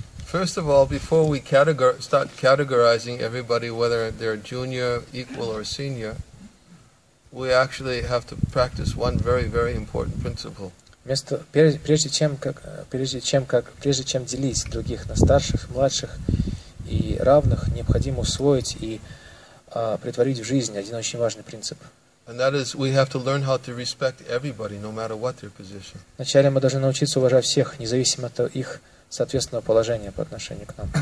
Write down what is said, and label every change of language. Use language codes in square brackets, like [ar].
[en] First of all, before we start categorizing everybody, whether they're junior, equal or senior, we actually have to practice one very, very important principle. [ru] Прежде чем делить других на старших, младших и равных, необходимо усвоить и притворить в жизнь один очень важный принцип. [en] And that is, we have to learn how to respect everybody, no matter what their position. [ru] Вначале мы должны научиться уважать всех, независимо от их соответственного положения по отношению к нам.